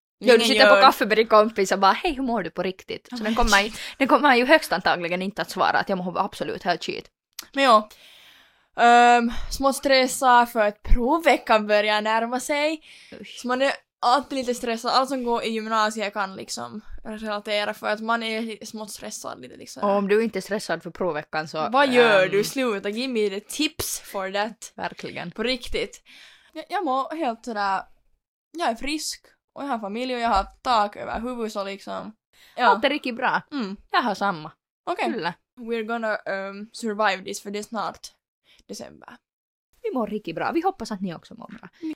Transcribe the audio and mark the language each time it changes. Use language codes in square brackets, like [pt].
[sv] Jo, du sitter på kaffe med din kompis och bara hej, hur mår du på riktigt? Så den kommer ju högst antagligen inte att svara att jag mår absolut helt shit. Men jo. Små stressar för att provveckan börjar närma sig. Så man är alltid lite stressad. Allt som går i gymnasiet kan liksom... relatera för att man är smått stressad lite liksom. Och om du inte är stressad för provveckan så... Vad gör du? [en] Sluta, give me the tips for that. [sv] Verkligen. På riktigt. Jag mår helt sådär... Jag är frisk och jag har familj och jag har tak över huvudet så liksom... Ja. Allt är riktigt bra. Mm. Jag har samma. Okej. Okay. [en] We're gonna survive this [sv] för det är snart december. Vi mår riktigt bra. Vi hoppas att ni också mår bra.